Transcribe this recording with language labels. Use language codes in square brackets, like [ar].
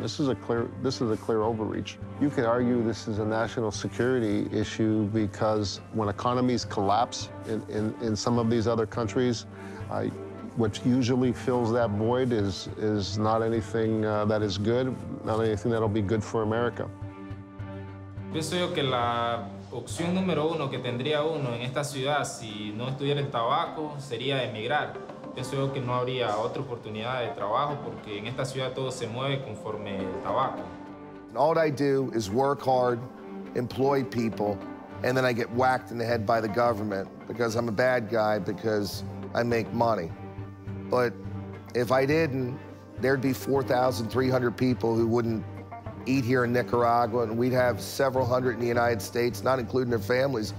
[en] This is a clear overreach. You could argue this is a national security issue because when economies collapse in some of these other countries, what usually fills that void is not anything that is good, not anything that'll be good for America. [es] Pienso yo que la opción número uno que tendría uno en esta ciudad si no estuviera el tabaco sería emigrar. Pienso yo que no habría otra oportunidad de trabajo porque en esta ciudad todo se mueve conforme el tabaco. [en] All I do is work hard, employ people, and then I get whacked in the head by the government because I'm a bad guy because I make money. But if I didn't, there'd be 4,300 people who wouldn't eat here in Nicaragua, and we'd have several hundred in the United States, not including their families.